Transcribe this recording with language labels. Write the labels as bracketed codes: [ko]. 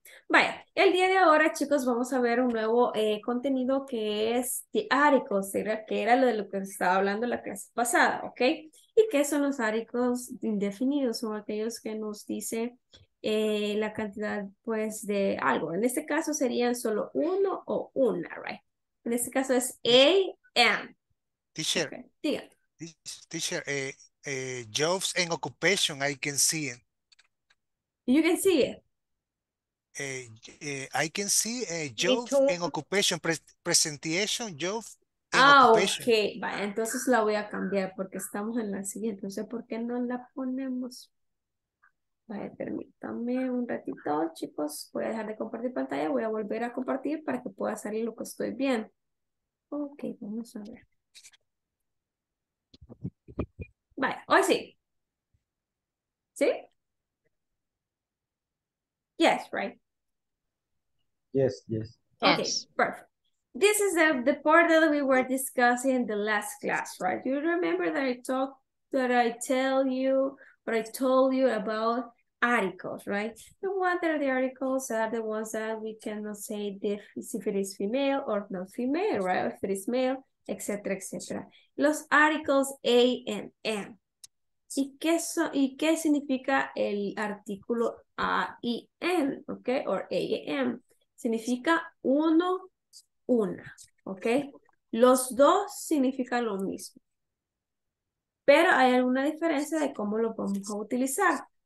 [es] Vaya, el día de ahora, chicos, vamos a ver un nuevo contenido que es [en] the articles, [es] que era lo de lo que estaba hablando la clase pasada, ok. ¿Y qué son los articles indefinidos? Son aquellos que nos dice la cantidad, pues, de algo. En este caso serían solo uno o una, right? En este caso es a, am. [en] T-shirt. Okay, [es] dígame. [en] Teacher, jobs and occupation, I can see it. You can see it. I can see jobs and occupation, presentation, job and occupation. [es] Ok, va, entonces la voy a cambiar porque estamos en la siguiente. No sé por qué no la ponemos. Vale, permítanme un ratito, chicos. Voy a dejar de compartir pantalla. Voy a volver a compartir para que pueda salir lo que estoy bien. Ok, vamos a ver. Vale, hoy sí. ¿Sí? [en] Yes, right? Yes, yes. Okay, yes. Perfect. This is the part that we were discussing in the last class, right? You remember that I told you about articles, right? The ones that are the articles are the ones that we cannot say if it is female or not female, right? If it is male, etc., etc. [es] Los articles A and M. ¿Y qué significa el artículo A y N, ok? Or A y M. Significa uno, una, ok? Los dos significan lo mismo. Pero hay alguna diferencia de cómo lo vamos a utilizar.